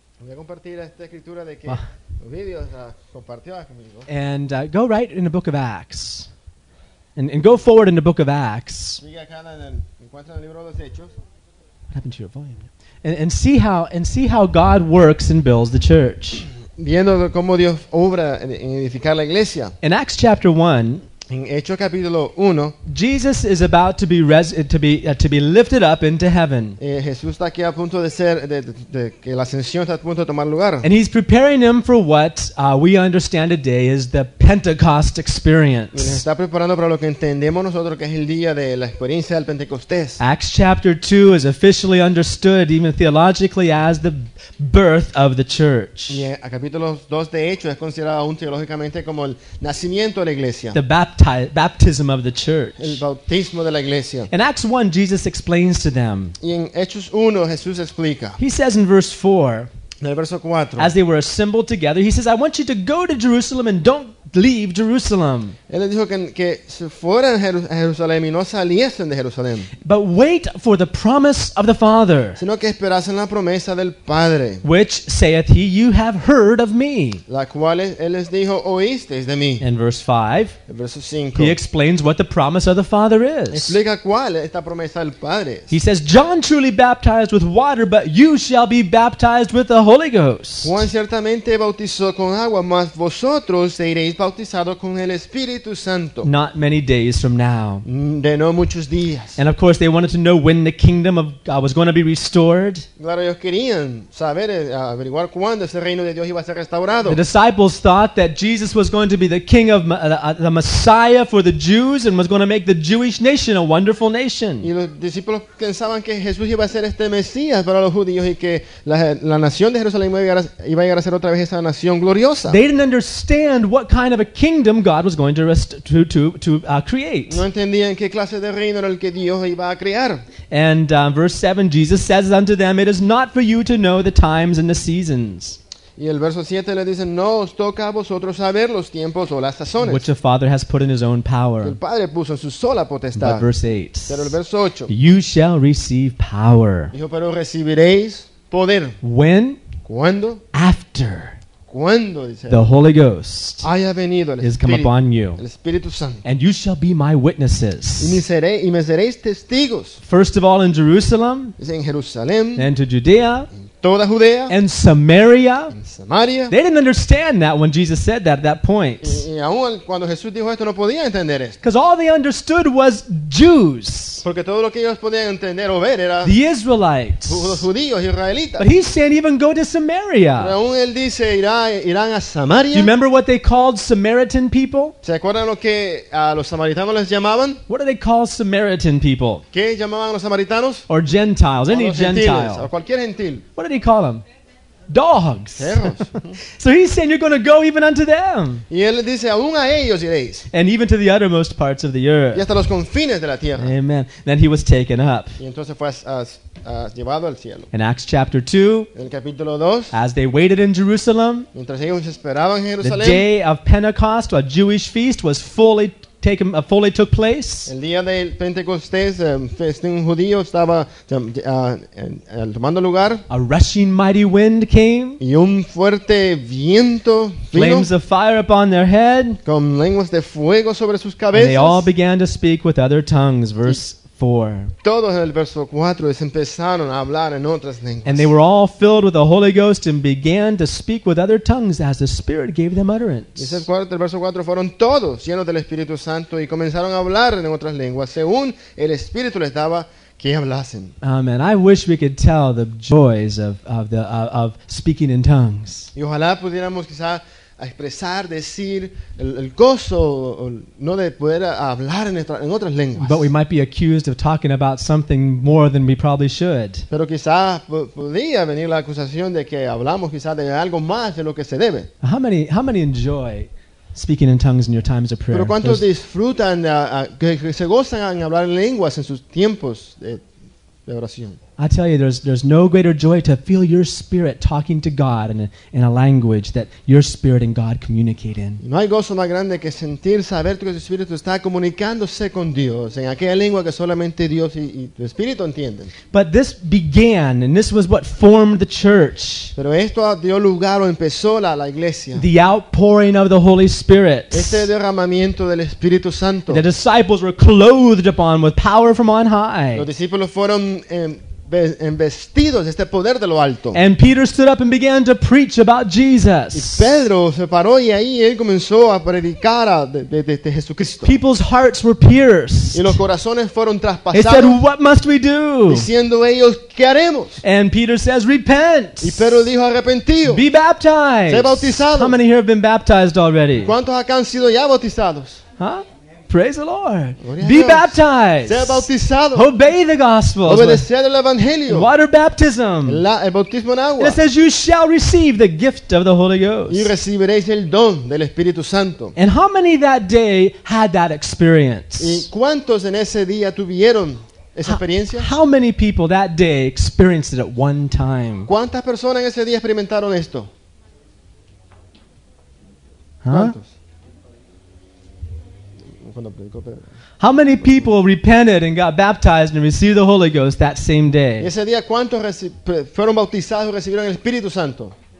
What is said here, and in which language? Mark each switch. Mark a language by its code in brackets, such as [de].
[en] And go right in the book of Acts. And go forward in the book of Acts. What happened to your volume? And see how God works and builds the church. [es] Viendo cómo Dios obra en edificar la iglesia. [en] In Acts chapter 1, [es] en Hechos capítulo 1, [en] Jesus is about to be lifted up into heaven. [es] Jesús está aquí a punto de ser de que la ascensión está a punto de tomar lugar. [en] And he's preparing them for what we understand today is the Pentecost experience. [es] Y está preparando para lo que entendemos nosotros que es el día de la experiencia del Pentecostés. [en] Acts chapter 2 is officially understood even theologically as the birth of the church. [es] Y a capítulos 2 de Hechos es considerado aún teológicamente como el nacimiento de la iglesia. [en] Baptism of the church. [es] El bautismo de la iglesia. [en] In Acts 1, Jesus explains to them. [es] Y en Hechos 1, Jesús explica. [en] He says in verse 4, [es] en el verso 4, [en] as they were assembled together, he says, I want you to go to Jerusalem and don't leave Jerusalem. [es] Él les dijo que se fueran a Jerusalén y no saliesen de Jerusalén. [en] But wait for the promise of the Father. [es] Sino que esperasen la promesa del Padre. [en] Which saith he, you have heard of me. [es] La cual él les dijo, oísteis de mí. [en] In verse 5. [es] El verso 5. [en] He explains what the promise of the Father is. [es] Explica cuál es esta promesa del Padre. [en] He says, John truly baptized with water, but you shall be baptized with the Holy Ghost. [es] Juan ciertamente bautizó con agua, mas vosotros seréis bautizado con el Espíritu Santo. [en] Not many days from now. [es] De no muchos días. [en] And of course they wanted to know when the kingdom of God was going to be restored. [es] Claro, ellos querían saber, averiguar cuándo ese reino de Dios iba a ser restaurado. [en] The disciples thought that Jesus was going to be the king of the Messiah for the Jews and was going to make the Jewish nation a wonderful nation. [es] Y los discípulos pensaban que Jesús iba a ser este Mesías para los judíos y que la nación de Jerusalén iba a llegar a ser otra vez esa nación gloriosa. [en] They didn't understand what kind of a kingdom God was going to create. [es] No entendían qué clase de reino era el que Dios iba a crear. [en] And verse 7, Jesus says unto them, it is not for you to know the times and the seasons. [es] Y el verso 7 le dice, no os toca a vosotros saber los tiempos o las sazones. [en] Which the Father has put in his own power. [es] El Padre puso en su sola potestad. [en] But verse 8. [es] Pero el verso 8. [en] You shall receive power. [es] Dijo, pero recibiréis poder. [en] When? [es] ¿Cuándo? [en] After. [es] Cuando, dice, [en] the Holy Ghost [es] haya venido el Espíritu, [en] has come upon you, [es] el Espíritu Santo, [en] and you shall be my witnesses. [es] Y me seréis testigos. [en] First of all, in Jerusalem, [es] en Jerusalén, [en] and to Judea, [es] en toda Judea, [en] and Samaria. [es] En Samaria. [en] They didn't understand that when Jesus said that at that point. [es] Y aún cuando Jesús dijo esto, no podían entender esto. [en] Because all they understood was Jews. [es] Porque todo lo que ellos podían entender o ver era [en] the Israelites. [es] Los judíos, israelitas. [en] But he's saying even go to Samaria. [es] Pero aún él dice, irán a Samaria. [en] Do you remember what they called Samaritan people? [es] ¿Se acuerdan lo que los samaritanos les llamaban? [en] What do they call Samaritan people? [es] ¿Qué llamaban los samaritanos? [en] Or Gentiles, [es] o [en] any [es] gentiles, [en] Gentile. [es] O cualquier gentil. [en] What did he call them? Dogs. So he's saying you're going to go even unto them. [es] Y él dice, aún a ellos iréis. [en] And even to the uttermost parts of the earth. [es] Y hasta los confines de la tierra. [en] Amen. Then he was taken up. [es] Y entonces fue llevado al cielo. [en] In Acts chapter 2, [es] en el capítulo 2, [en] as they waited in Jerusalem, [es] mientras ellos esperaban en Jerusalén, [en] the day of Pentecost, a Jewish feast, was fully taken, fully took place. [es] El día del Pentecostés, festín judío estaba tomando lugar. [en] A rushing mighty wind came. [es] Y un fuerte viento. [en] Flames of fire upon their head. [es] Con lenguas de fuego sobre sus cabezas. [en] And they all began to speak with other tongues. Verse 4. [es] Todos en el verso 4 empezaron a hablar en otras lenguas. [en] And they were all filled with the Holy Ghost and began to speak with other tongues as the Spirit gave them utterance. [es] Y el verso 4 fueron todos llenos del Espíritu Santo y comenzaron a hablar en otras lenguas según el Espíritu les daba que hablasen. [en] Amen. I wish we could tell the joys of speaking in tongues. [es] Y ojalá pudiéramos quizá a expresar, decir el gozo no de poder hablar en otras lenguas. [en] But we might be accused of talking about something more than we probably should. [es] Pero quizás podría venir la acusación de que hablamos quizás de algo más de lo que se debe. [en] How many enjoy speaking in tongues in your times of prayer? [es] Pero cuántos disfrutan que se gozan en hablar en lenguas en sus tiempos de oración. [en] I tell you, there's no greater joy to feel your spirit talking to God in a language that your spirit and God communicate in. [es] No hay gozo más grande que sentir saber que tu espíritu está comunicándose con Dios en aquella lengua que solamente Dios y tu espíritu entienden. [en] But this began, and this was what formed the church. [es] Pero esto dio lugar o empezó la iglesia. [en] The outpouring of the Holy Spirit. [es] Este derramamiento del Espíritu Santo. [en] The disciples were clothed upon with power from on high. [es] Los discípulos fueron vestidos este poder de lo alto. [en] And Peter stood up and began to preach about Jesus. [es] Y Pedro se paró y ahí él comenzó a predicar de Jesucristo. [en] People's hearts were pierced. [es] Y los corazones fueron traspasados. [en] He said, "What must we do?" [es] Diciendo ellos, ¿qué haremos? [en] And Peter says, "Repent." [es] Y Pedro dijo, arrepentido. [en] Be baptized. [es] Sé bautizado. [en] How many here have been baptized already? [es] ¿Cuántos acá han sido ya bautizados? [en] Huh? Praise the Lord. Be baptized. [es] Sea bautizado. [en] Obey the gospel. [es] Obedecer el evangelio. [en] Water baptism. [es] El bautismo en agua. [en] And it says you shall receive the gift of the Holy Ghost. [es] Y recibiréis el don del Espíritu Santo. [en] And how many that day had that experience? [es] ¿Y cuántos en ese día tuvieron esa experiencia? [en] How many people that day experienced it at one time? [es] ¿Cuántas personas en ese día experimentaron esto? ¿Cuántos? [en] How many people repented and got baptized and received the Holy Ghost that same day? [es] Ese día, ¿cuántos fueron bautizados y recibieron el Espíritu Santo?